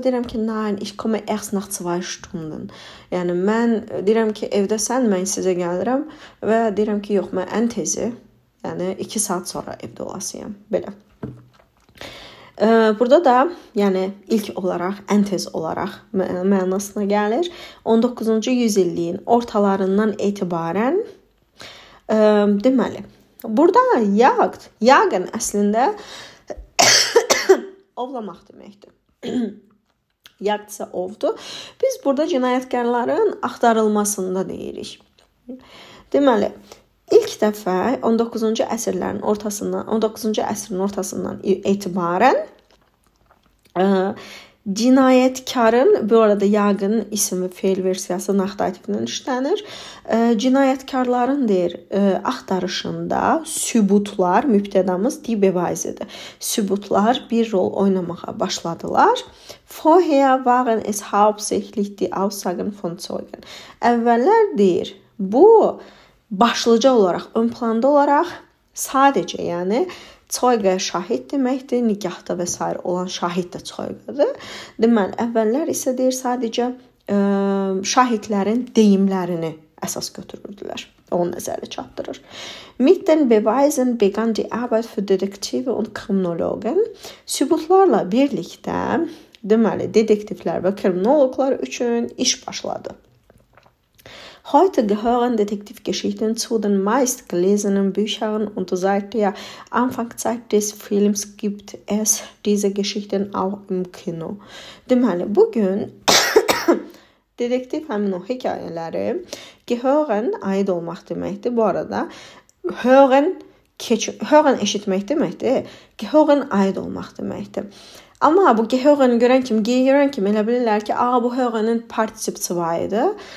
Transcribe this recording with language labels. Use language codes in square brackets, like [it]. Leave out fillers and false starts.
[az] Deyirəm ki, [de] nein, ich komme erst nach zwei Stunden. [az] Yani, mən deyirəm ki, evde sen, mən sizə gəlirəm və deyirəm ki, yox, mən ən tezi, yani iki saat sonra evde olasıyam, belə. Burada da, yani ilk olarak, ən tez olarak mənasına gəlir. 19-cu yüzilliyin ortalarından etibarən, deməli, burada yagd, yagın əslində, ovlamaq deməkdir. Yagd isə ovdu. Biz burada cinayətkarların axtarılmasında deyirik. Deməli, ilk dəfə 19-cu əsrlərin ortasından, 19-cu əsrin ortasından etibarən cinayətkarın, bu arada yagın isim və feil versiyası naxtativdən işlənir. Cinayətkarların deyir, axtarışında sübutlar, mübtədamız di beweisidir. Sübutlar bir rol oynamağa başladılar. [de] Vorher waren es hauptsächlich die Aussagen von Zeugen. [az] Əvvəllər deyir, bu başlıca olaraq, ön planda olaraq sadəcə, yəni Zeuge şahit deməkdir, nikahda və s. olan şahit də zeugədir. Deməli, əvvəllər isə deyir, sadəcə şahitlərin deyimlərini əsas götürürdülər. Onu nəzərə çatdırır. [de] Mit den Beweisen begann die Arbeit für Detektive und Kriminologen. [az] Sübutlarla birlikdə, deməli, detektivlər və kriminologlar üçün iş başladı. [de] Heute gehören Detektivgeschichten zu den meistgelesenen Büchern und seit der Anfangszeit des Films gibt es diese Geschichten auch im Kino. [az] Deməli, bugün detektiv həmin o hekayələri gehören, aid olmaq deməkdir. Bu arada, hören eşitmək deməkdir. Gehören, aid olmaq deməkdir. Amma bu gehören görən kim, gehören kim elə bilirlər ki, bu hörenin particip zweiti.